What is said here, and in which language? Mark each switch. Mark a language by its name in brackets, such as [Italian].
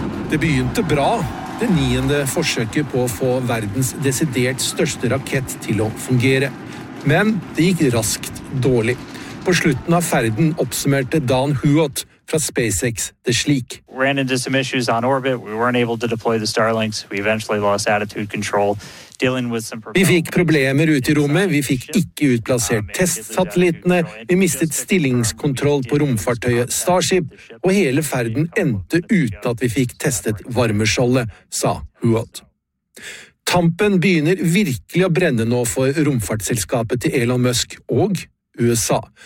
[Norwegian] Det begynte bra, det 9. forsøket på å få verdens desidert største rakett til å fungere. Men det gikk raskt dårlig. På slutten av ferden oppsummerte Dan Huot, fra SpaceX, det slik. [English] Ran into some issues on orbit. We weren't able to deploy the Starlinks. We eventually lost attitude control. [Norwegian] Vi fikk problemer ute i rommet. Vi fikk ikke utplassert testsatellitene. Vi mistet stillingskontroll på romfartøyet Starship, og hele ferden endte uten at vi fikk testet varmeskjoldet, sa Huot. Tampen begynner virkelig å brenne nå for romfartsselskapet til Elon Musk og USA.